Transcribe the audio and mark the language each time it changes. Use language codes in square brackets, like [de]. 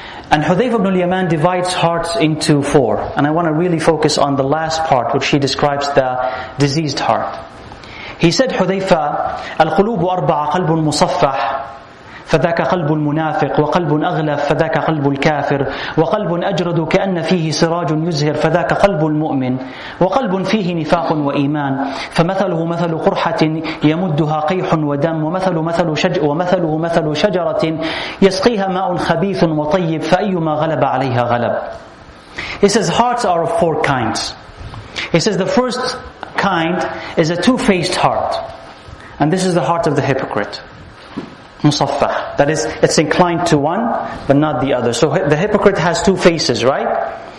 [en] And Hudhayfa ibn al-Yaman divides hearts into four. And I want to really focus on the last part, which he describes the diseased heart. He said, [ar] Hudhayfa, al-qulubu arba'a qalbun musaffah, فذاك قلب المنافق وقلب أغلف فذاك قلب الكافر وقلب أجرد كأن فيه سراج يزهر فذاك قلب المؤمن وقلب فيه نفاق وإيمان فمثله مثل قرحة يمدها قيح ودم ومثله مثل شجرة يسقيها ماء خبيث وطيب فأيما غلب عليها غلب. [en] He says hearts are of four kinds. He says the first kind is a two-faced heart, and this is the heart of the hypocrite. Musaffah. That is, it's inclined to one, but not the other. So the hypocrite has two faces, right?